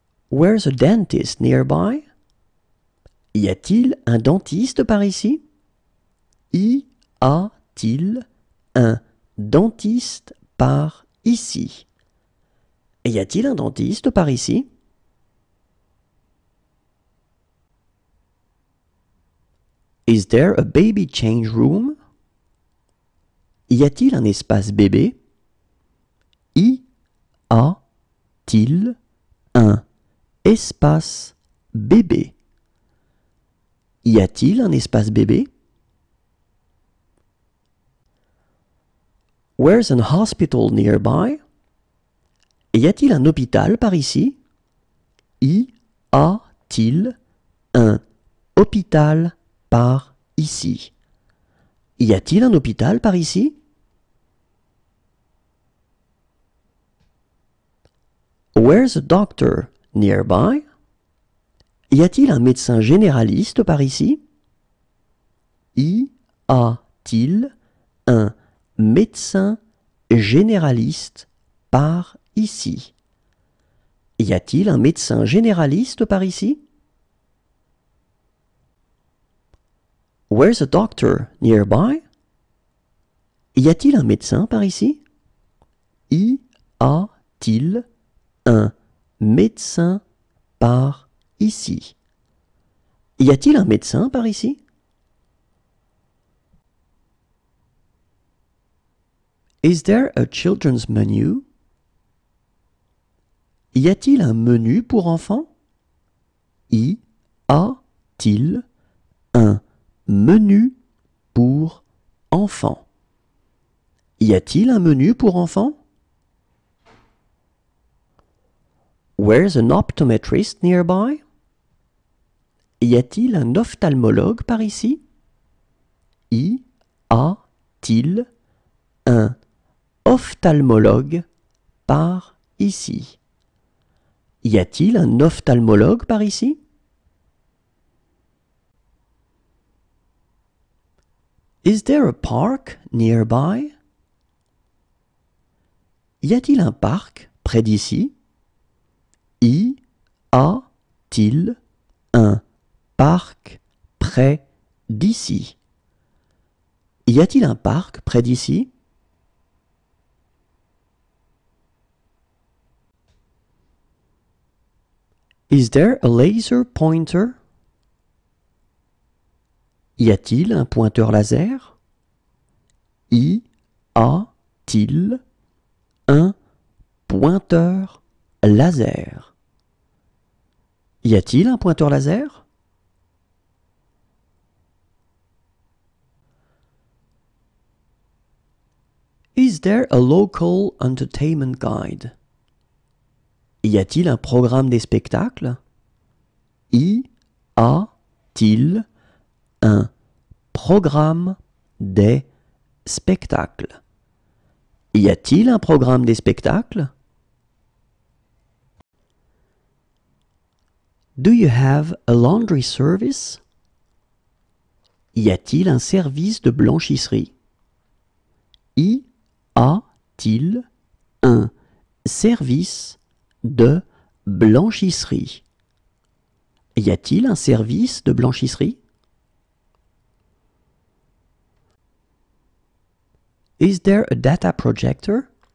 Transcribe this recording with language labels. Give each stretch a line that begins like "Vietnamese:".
English: Where's a dentist nearby?
French: Y a-t-il un dentiste par ici? Y a-t-il un dentiste par ici? Y a-t-il un dentiste par ici?
English: Is there a baby change room?
French: Y a-t-il un espace bébé? Y a-t-il un espace bébé? Y a-t-il un espace bébé?
English: Where's an hospital nearby?
French: Y a-t-il un hôpital par ici? Y a-t-il un hôpital par ici? Y a-t-il un hôpital par ici? A
English: Where's a doctor nearby?
French: Y a-t-il un médecin généraliste par ici? Y a-t-il un médecin généraliste par ici? Y a-t-il un médecin généraliste par ici?
English: Where's a doctor nearby?
French: Y a-t-il un médecin par ici? Y a-t-il un médecin par ici? Y a-t-il un médecin par ici?
English: Is there a children's menu?
French: Y a-t-il un menu pour enfants? Y a-t-il un menu pour enfants? Y a-t-il un menu pour enfants?
English: Where's an optometrist nearby?
French: Y a-t-il un ophtalmologue par ici? Y a-t-il un ophtalmologue par ici? Y a-t-il un ophtalmologue par ici?
English: Is there a park nearby?
French: Y a-t-il un parc près d'ici? Y a-t-il un parc près d'ici? Y a-t-il un parc près d'ici?
English: Is there a laser pointer?
French: Y a-t-il un pointeur laser? Y a-t-il un pointeur laser? Y a-t-il un pointeur laser?
English: Is there a local entertainment guide?
French: Y a-t-il un programme des spectacles? Y a-t-il un programme des spectacles? Y a-t-il un programme des spectacles?
English: Do you have a laundry service?
French: Y a-t-il un service de blanchisserie? Y a-t-il un service de blanchisserie? Y a-t-il un service de blanchisserie?
English: Is there a data projector?